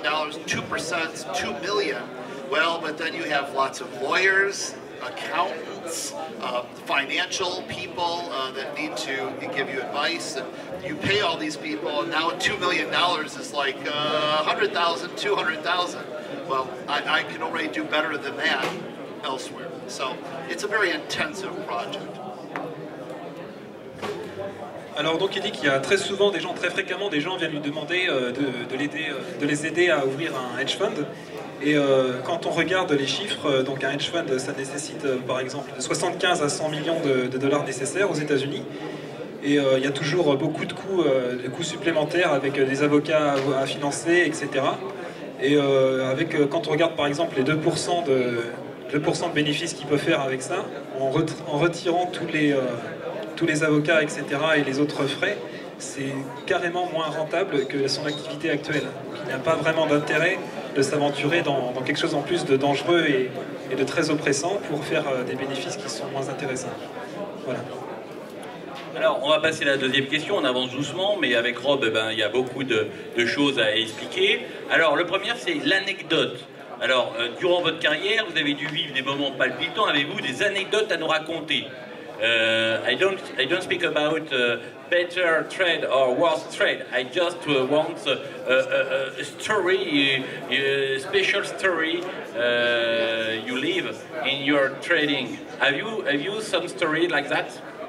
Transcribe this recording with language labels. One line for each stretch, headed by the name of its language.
English: 2% is $2 million. Well, but then you have lots of lawyers, accountants, financial people that need to give you advice. And you pay all these people, and now $2 million is like $100,000, $200,000. Well, I can already do better than that elsewhere. So it's a very intensive project.
French: Alors donc il dit qu'il y a très souvent des gens, très fréquemment des gens viennent lui demander de les aider à ouvrir un hedge fund. Et quand on regarde les chiffres, donc un hedge fund ça nécessite par exemple 75 à 100 millions de dollars nécessaires aux États-Unis. Et il y a toujours beaucoup de coûts supplémentaires avec des avocats à financer, etc. Et avec quand on regarde par exemple les 2% de bénéfices qu'il peut faire avec ça, en retirant tous les avocats, etc., et les autres frais, c'est carrément moins rentable que son activité actuelle. Il n'y a pas vraiment d'intérêt de s'aventurer dans quelque chose en plus de dangereux et de très oppressant pour faire des bénéfices qui sont moins intéressants. Voilà. Alors, on va passer à la deuxième question. On avance doucement, mais avec Rob, il y a beaucoup de choses à expliquer. Alors, le premier, c'est l'anecdote. Alors, durant votre carrière, vous avez dû vivre des moments palpitants. Avez-vous des anecdotes à nous raconter?
English: I don't speak about better trade or worse trade. I just want a story, a special story you live in your trading. Have you some story like that?